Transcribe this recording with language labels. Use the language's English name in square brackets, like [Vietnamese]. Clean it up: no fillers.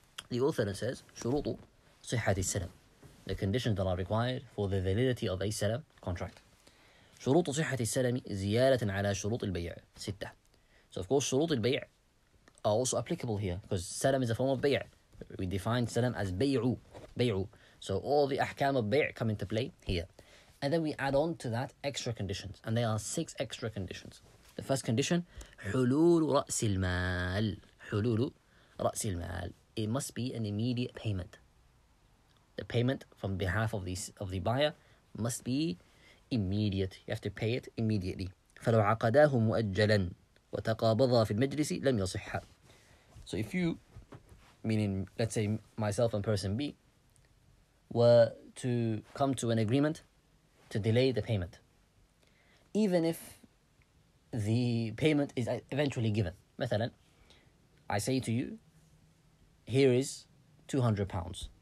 [English] The author says, [Arabic] شروط صحة السلام. [English] The conditions that are required for the validity of a سلام contract. [Arabic] شروط صحة السلام زيادة على شروط البيع. [English] 6. So of course, شروط البيع are also applicable here because سلام is a form of بيع. We define سلام as بيعو. [Arabic] بيعو. [English] So all the أحكام of بيع come into play here. And then we add on to that extra conditions. And there are 6 extra conditions. The first condition, [Arabic] حلول رأس المال. حلول رأس المال. [English] It must be an immediate payment. The payment from behalf of the buyer must be immediate. You have to pay it immediately. [Arabic] فلو عقداه مؤجلا وتقابضا في المجلس لم يصح. [English] So if you, meaning let's say myself and person B, were to come to an agreement to delay the payment, even if the payment is eventually given. مثلا, I say to you, here is 200 pounds.